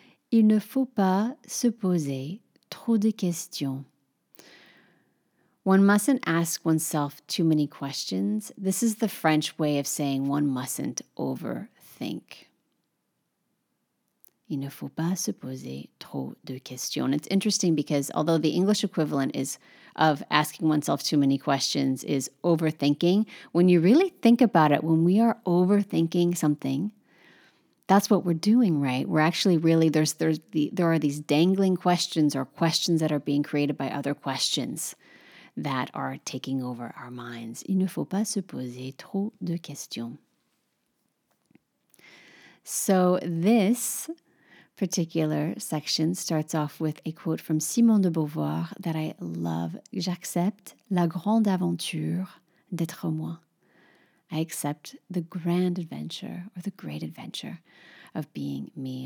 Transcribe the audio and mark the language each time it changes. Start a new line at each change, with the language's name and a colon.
French: Il ne faut pas se poser trop de questions.
English: One mustn't ask oneself too many questions. This is the French way of saying one mustn't overthink.
French: Il ne faut pas se poser trop de questions.
English: It's interesting because although the English equivalent is of asking oneself too many questions is overthinking, when you really think about it, when we are overthinking something, that's what we're doing, right? We're actually really, there are these dangling questions or questions that are being created by other questions that are taking over our minds.
French: Il ne faut pas se poser trop de questions.
English: So this particular section starts off with a quote from Simone de Beauvoir that I love.
French: J'accepte la grande aventure d'être moi.
English: I accept the grand adventure or the great adventure of being me.